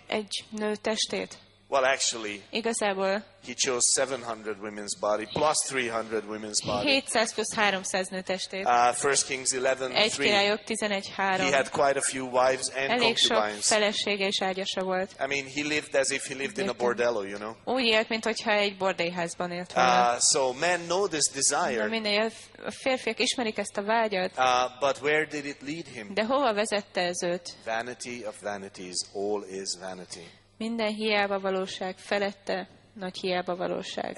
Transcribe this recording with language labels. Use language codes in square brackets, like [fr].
[hu] Egy nő testét. [en] Well, actually, [hu] igazából, [en] he chose 700 women's body plus 300 women's body. [hu] 700 plus 300 nő testét. [en] 1 Kings 11:3. [hu] Egy királyok 11:3. [en] He had quite a few wives and [hu] elég [en] concubines. [hu] Elég sok felesége és ágyasa volt. [en] I mean, he lived as if he lived in a bordello, you know. [hu] Úgy élt, mint hogyha egy bordélyházban élt volna. [en] So men know this desire. [hu] De minél a férfiak ismerik ezt a vágyat. [en] But where did it lead him? [hu] De hova vezette ez őt? [en] Vanity of vanities, all is vanity. [hu] Minden hiába valóság felette nagy hiába valóság.